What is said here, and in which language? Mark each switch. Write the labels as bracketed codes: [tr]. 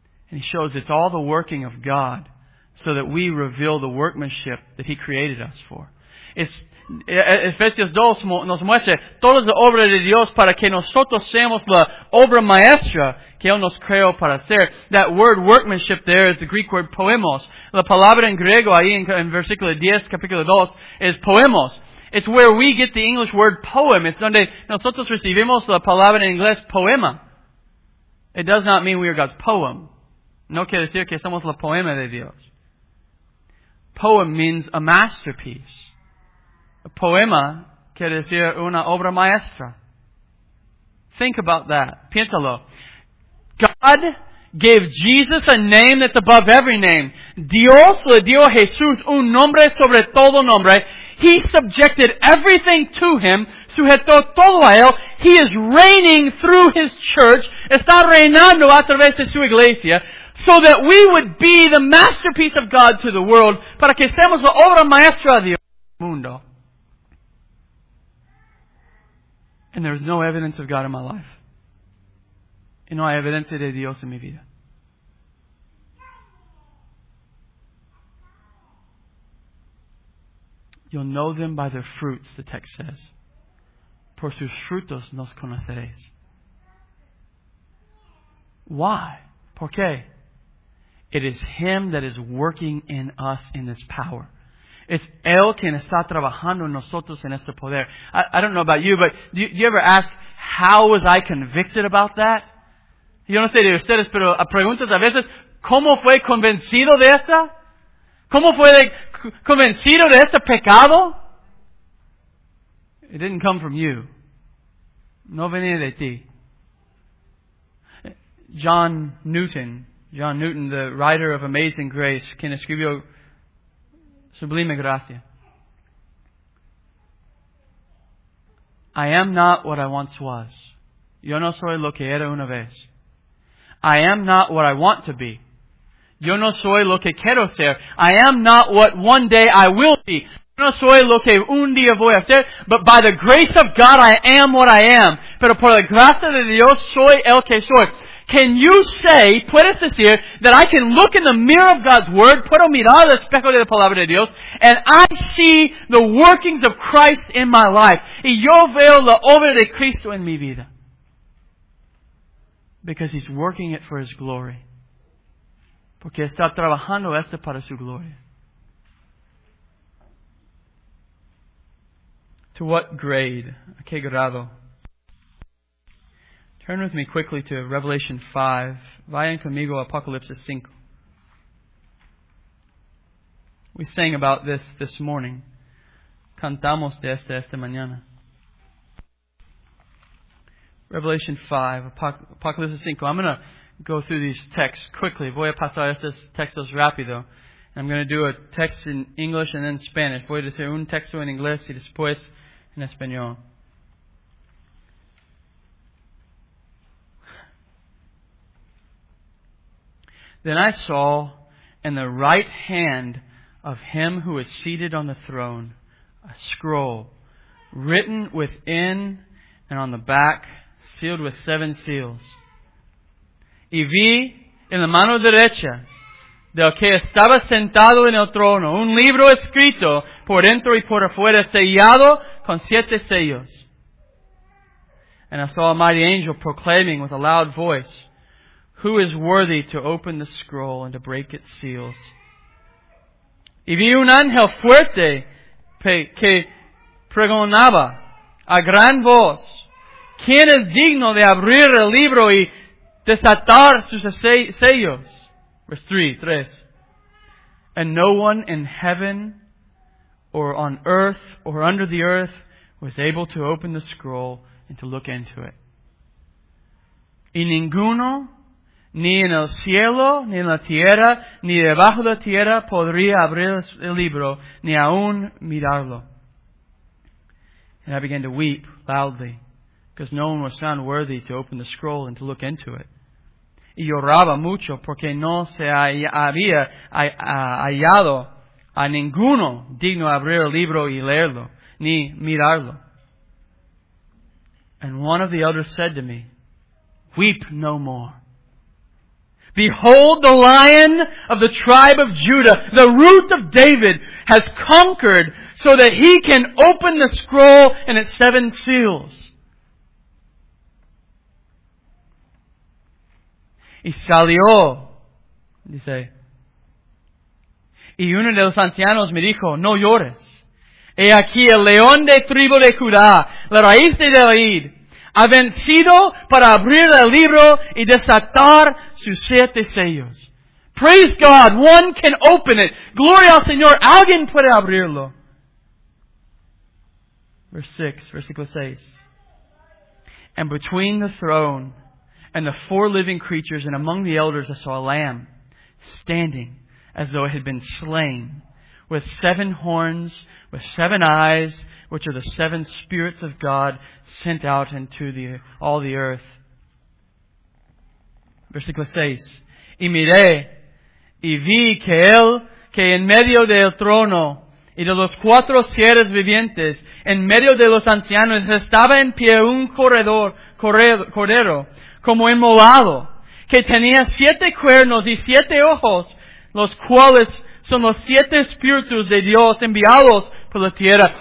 [en] And He shows it's all the working of God so that we reveal the workmanship that He created us for. [es] Ephesians 2 nos muestra toda la obra de Dios para que nosotros seamos la obra maestra que Él nos creó para hacer. [en] That word workmanship there is the Greek word poemos. [es] La palabra en griego ahí en versículo 10, capítulo 2, es poemos. [en] It's where we get the English word poem. It's [es] donde nosotros recibimos la palabra en inglés poema. [en] It does not mean we are God's poem. [es] No quiere decir que somos la poema de Dios. [en] Poem means a masterpiece. [es] A poema quiere decir una obra maestra. [en] Think about that. [es] Piénsalo. [en] God gave Jesus a name that's above every name. [es] Dios le dio a Jesús un nombre sobre todo nombre. [en] He subjected everything to Him, [es] sujetó todo a Él. [en] He is reigning through His church, [es] está reinando a través de su iglesia, [en] so that we would be the masterpiece of God to the world, [es] para que seamos la obra maestra de Dios mundo. [en] And there is no evidence of God in my life. [es] Y no hay evidencia de Dios en mi vida. [en] You'll know them by their fruits, the text says. [es] Por sus frutos nos conoceréis. [en] Why? [es] ¿Por qué? [en] It is Him that is working in us in this power. It's [es] Él quien está trabajando en nosotros en este poder. [en] I don't know about you, but do you ever ask, how was I convicted about that? [es] Yo no sé de ustedes, pero preguntas a veces, ¿cómo fue convencido de esta? ¿Cómo fue convencido de este pecado? [en] It didn't come from you. [es] No venía de ti. [en] John Newton, the writer of Amazing Grace, [es] quien escribió Sublime Gracia. [en] I am not what I once was. [es] Yo no soy lo que era una vez. [en] I am not what I want to be. [es] Yo no soy lo que quiero ser. [en] I am not what one day I will be. [es] Yo no soy lo que un día voy a ser. [en] But by the grace of God, I am what I am. [es] Pero por la gracia de Dios, soy el que soy. [en] Can you say, [es] puedes decir, [en] that I can look in the mirror of God's Word, [es] puedo mirar el espejo de la palabra de Dios, [en] and I see the workings of Christ in my life. [es] Y yo veo la obra de Cristo en mi vida. [en] Because He's working it for His glory. [es] Porque está trabajando esto para su gloria. [en] To what grade? [es] ¿A qué grado? [en] Turn with me quickly to Revelation 5. [es] Vayan conmigo a Apocalipsis 5. [en] We sang about this morning. [es] Cantamos de esta mañana. [en] Revelation 5, Apocalipsis 5. I'm going to go through these texts quickly. [es] Voy a pasar estos textos rápido. [en] And I'm going to do a text in English and then Spanish. [es] Voy a decir un texto en inglés y después en español. [en] Then I saw in the right hand of Him who is seated on the throne a scroll written within and on the back, sealed with 7 seals. [es] Y vi en la mano derecha del que estaba sentado en el trono un libro escrito por dentro y por afuera, sellado con 7 sellos. [en] And I saw a mighty angel proclaiming with a loud voice, who is worthy to open the scroll and to break its seals? [es] Y vi un ángel fuerte que pregonaba a gran voz, ¿quién es digno de abrir el libro y desatar sus sellos? [en] Verse 3. And no one in heaven or on earth or under the earth was able to open the scroll and to look into it. [es] Y ninguno ni en el cielo, ni en la tierra, ni debajo de la tierra podría abrir el libro, ni aún mirarlo. [en] And I began to weep loudly, because no one was found worthy to open the scroll and to look into it. [es] Y lloraba mucho porque no se había hallado a ninguno digno de abrir el libro y leerlo, ni mirarlo. [en] And one of the elders said to me, "Weep no more. Behold, the Lion of the tribe of Judah, the root of David, has conquered so that he can open the scroll and its seven seals." [es] Y salió, dice, y uno de los ancianos me dijo, "No llores. He aquí el león de tribu de Judá, la raíz de David, ha vencido para abrir el libro y desatar sus siete sellos." [en] Praise God, one can open it. [es] Gloria al Señor, alguien puede abrirlo. Versículo 6. [en] And between the throne and the four living creatures and among the elders, I saw a lamb standing as though it had been slain, with seven horns, with seven eyes, which are the seven spirits of God sent out into all the earth. [es] Versículo 6. Y miré, y vi que él, que en medio del trono, y de los cuatro seres vivientes, en medio de los ancianos, estaba en pie un cordero, como inmolado, que tenía siete cuernos y siete ojos, los cuales son los siete espíritus de Dios enviados por la tierra.